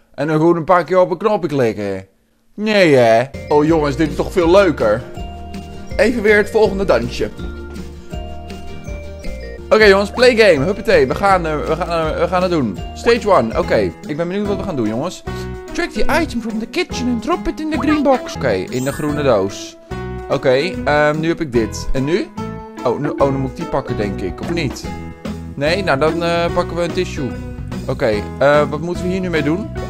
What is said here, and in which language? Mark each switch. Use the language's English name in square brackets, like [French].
[Dutch] En dan gewoon een paar keer op een knopje klikken? Nee hè? Oh jongens, dit is toch veel leuker. Even weer het volgende dansje. Oké jongens, [English] play game. [Dutch] Huppatee, we gaan het doen. Stage 1, oké. Ik ben benieuwd wat we gaan doen jongens. [English] Track the item from the kitchen and drop it in the green box. [Dutch] Oké, in de groene doos. Oké, nu heb ik dit. En nu? Oh, dan moet ik die pakken, denk ik. Of niet? Nee? Nou, dan pakken we een tissue. Oké, wat moeten we hier nu mee doen?